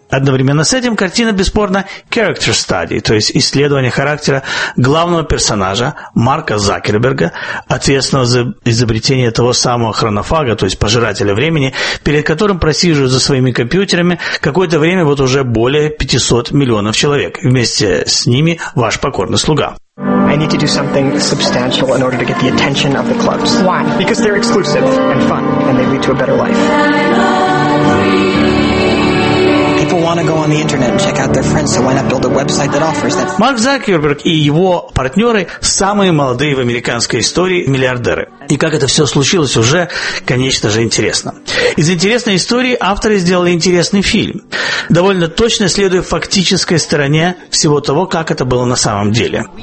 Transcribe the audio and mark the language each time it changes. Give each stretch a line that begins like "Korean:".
Russian: Одновременно с этим картина бесспорно character study, то есть исследование характера главного персонажа Марка Закерберга, ответственного за изобретение того самого хронофага, то есть пожирателя времени, перед которым просиживают за своими компьютерами какое-то время вот уже более 500 миллионов человек. Вместе с ними ваш покорный слуга.
English: I need to do something substantial in order to get the attention of the clubs. Why? Because they're exclusive and fun, and they lead to a better life. People want to go on the internet and check out their friends, so why not build a website that offers that?
Russian: Марк Закерберг и его партнеры – самые молодые в американской истории миллиардеры. И как это все случилось, уже, конечно же, интересно. Из интересной истории авторы сделали интересный фильм, довольно точно следуя фактической стороне всего того, как это было на самом деле.